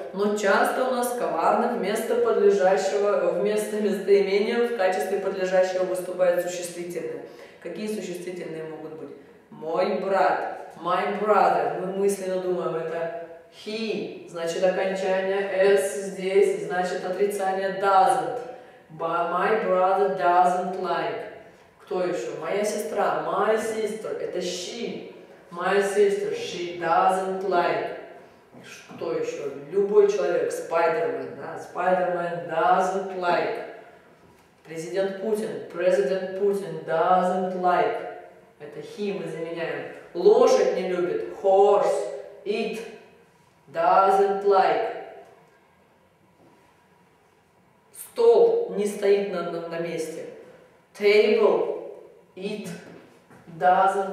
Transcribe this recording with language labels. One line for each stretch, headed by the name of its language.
Russian: Но часто у нас коварно вместо местоимения в качестве подлежащего выступает существительное. Какие существительные могут быть? Мой брат.
English: My brother.
Russian: Мы мысленно думаем, это he. Значит, окончание s здесь. Значит, отрицание
English: doesn't. But my brother doesn't like.
Russian: Кто еще? Моя сестра.
English: My sister.
Russian: Это she. My sister.
English: She doesn't like.
Russian: Кто еще? Любой человек. Spider-Man. Да?
English: Spider-Man doesn't like. Президент Путин. President Putin doesn't like.
Russian: Это he мы заменяем. Лошадь не любит.
English: Horse. It doesn't like.
Russian: Стол не стоит на месте. Table.
English: It doesn't.